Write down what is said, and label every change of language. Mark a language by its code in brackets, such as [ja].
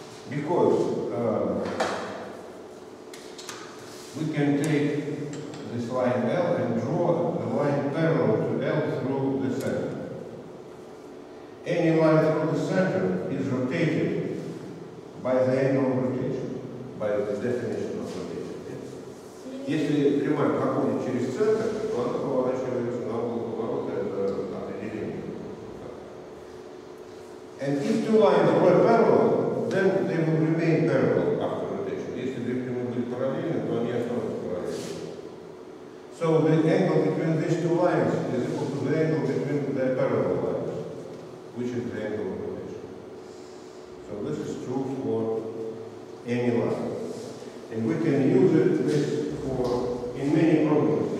[en] Because we can take this line L and draw the line parallel to L through the center. Any line through the center is rotated by the angle of rotation, by the definition of rotation. Yes. [ru] Если прямая проходит через центр, то она поворачивается на угол поворота, это определение. [en] And if two lines were parallel, then they will remain parallel after rotation. [ru] Если две прямые будут параллельны, то они останутся параллельными. [en] So the angle between these two lines is equal to the angle between the parallel lines, which is the angle of rotation. So this is true for any line. And we can use this for in many problems.